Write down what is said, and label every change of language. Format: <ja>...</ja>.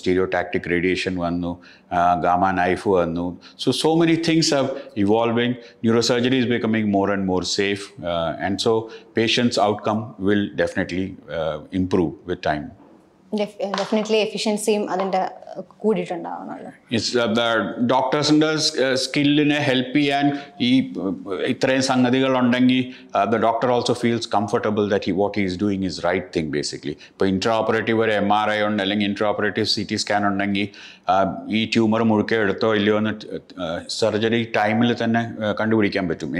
<ml>Stereotactic radiation വന്നു, gamma knife വന്നു.</ml> <en>So many things have evolving. Neurosurgery is becoming more and more safe and so patients outcome will definitely improve with time.</en> <ml>Definitely efficiency adinte കൂടിയിട്ടുണ്ടാവണല്ലോ. ഡോക്ടേഴ്സിൻ്റെ സ്കില്ലിനെ help ചെയ്യാൻ ഈ ഇത്രയും സംഗതികളുണ്ടെങ്കിൽ</ml> <en>The doctor also feels comfortable that what is doing is right thing basically.</en> <ml>ഇപ്പോൾ intra operative ഒരു M R I ഉണ്ട് അല്ലെങ്കിൽ intra operative C T scan ഉണ്ടെങ്കിൽ ഈ tumour മുഴുക്കെ എടുത്തോ ഇല്ലയോ എന്ന് സർജറി ടൈമിൽ തന്നെ കണ്ടുപിടിക്കാൻ പറ്റും.</ml>